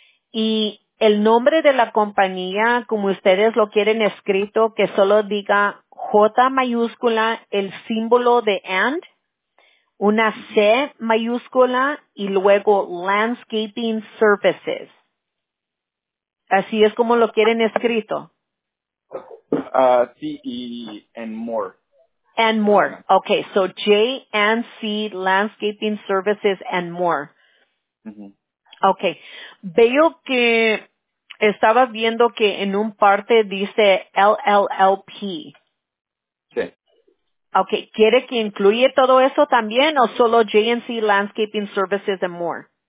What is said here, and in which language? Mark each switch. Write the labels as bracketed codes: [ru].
[es] Y el nombre de la compañía, como ustedes lo quieren escrito, que solo diga J mayúscula, el símbolo de AND, una C mayúscula y luego Landscaping Services. ¿Así es como lo quieren escrito? Sí, y [en] and more. And more. Okay, so JNC Landscaping Services and more. Mm-hmm. Okay. [es] Veo que estaba viendo que en un parte dice LLLP. Okay, ¿quiere que incluya todo eso también o solo JNC Landscaping Services and more?